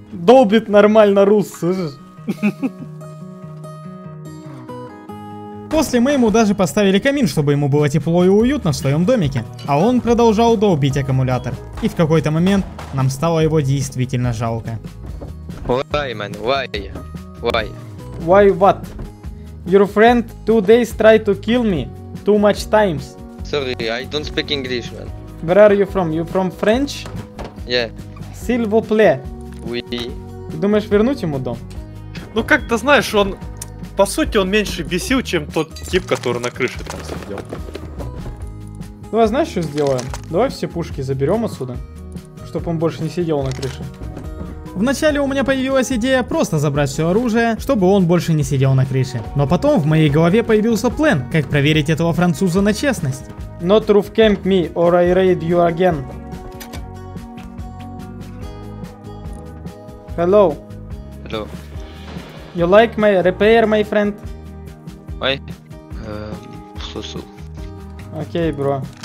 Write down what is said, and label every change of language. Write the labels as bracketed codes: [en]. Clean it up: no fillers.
[ru] Долбит нормально рус, слышишь? После мы ему даже поставили камин, чтобы ему было тепло и уютно в своем домике. А он продолжал долбить аккумулятор. И в какой-то момент нам стало его действительно жалко. [en] Why, man? Why? Why? Why what? Your friend 2 days tried to kill me too much times. Sorry, I don't speak English, man. Where are you from? You from French? Yeah. [fr] S'il vous plaît. Oui. [ru] Ты думаешь вернуть ему дом? Ну как-то знаешь, он... По сути, он меньше бесил, чем тот тип, который на крыше там сидел. Ну а знаешь, что сделаем? Давай все пушки заберем отсюда, чтобы он больше не сидел на крыше. Вначале у меня появилась идея просто забрать все оружие, чтобы он больше не сидел на крыше. Но потом в моей голове появился план, как проверить этого француза на честность. [en] Not roof camp me, or I raid you again. Hello. Hello. You like my repair, my friend? Why? So. Okay, bro.